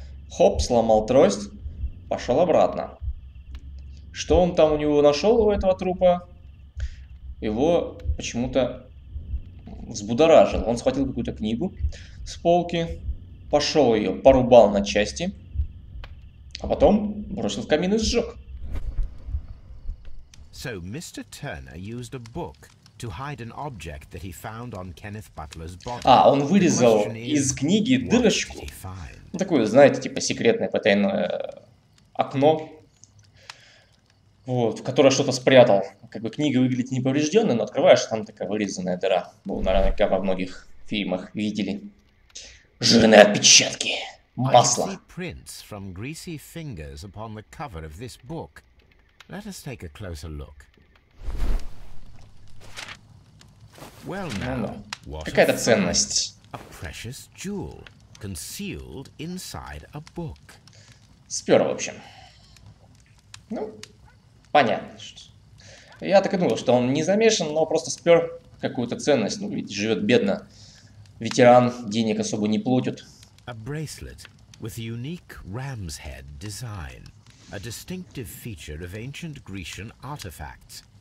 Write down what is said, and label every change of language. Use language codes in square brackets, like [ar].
[ru] Хоп, сломал трость, пошел обратно. Что он там у него нашел, у этого трупа? Его почему-то взбудоражил. Он схватил какую-то книгу с полки, пошел ее, порубал на части, а потом бросил в камин и сжег. [en] So, Mr. Turner used a book to hide an object that he found on Kenneth Butler's body. [ru] А, он вырезал из книги дырочку. Такое, знаете, типа секретное потайное окно, вот, в которое что-то спрятал. Как бы книга выглядит неповрежденной, но открываешь, там такая вырезанная дыра. Был, наверное, как во многих фильмах видели. Жирные отпечатки. Масло. [en] I see prints from greasy fingers upon the cover of this book. Let us take a closer look. Well, now, [ru] какая-то ценность. [en] A precious jewel. Concealed inside a book. [ru] Спер, в общем. Ну, понятно. Я так и думал, что он не замешан, но просто спер какую-то ценность. Ну, ведь живет бедно. Ветеран, денег особо не платит. [en] A bracelet with a unique ram's head design. A distinctive feature of ancient Grecian artifacts.